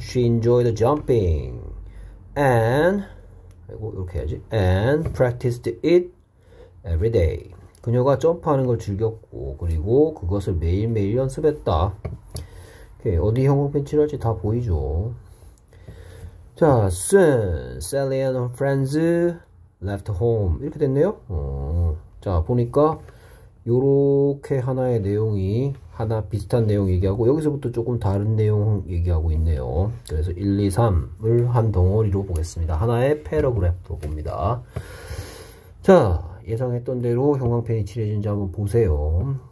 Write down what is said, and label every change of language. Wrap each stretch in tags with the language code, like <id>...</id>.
<en>She enjoyed jumping and</en> <ko>아이고 이렇게 해야지.</ko> <en>And practiced it every day.</en> <ko>그녀가 점프하는 걸 즐겼고 그리고 그것을 매일매일 연습했다. 오케이, 어디 형광펜 칠할지 다 보이죠.</ko> <en>자, soon Sally and her friends left home.</en> <ko>이렇게 됐네요. 자, 보니까 요렇게 하나의 내용이 하나 비슷한 내용 얘기하고 여기서부터 조금 다른 내용 얘기하고 있네요. 그래서 1, 2, 3을 한 덩어리로 보겠습니다. 하나의 패러그래프로 봅니다. 자, 예상했던 대로 형광펜이 칠해진지 한번 보세요.</ko>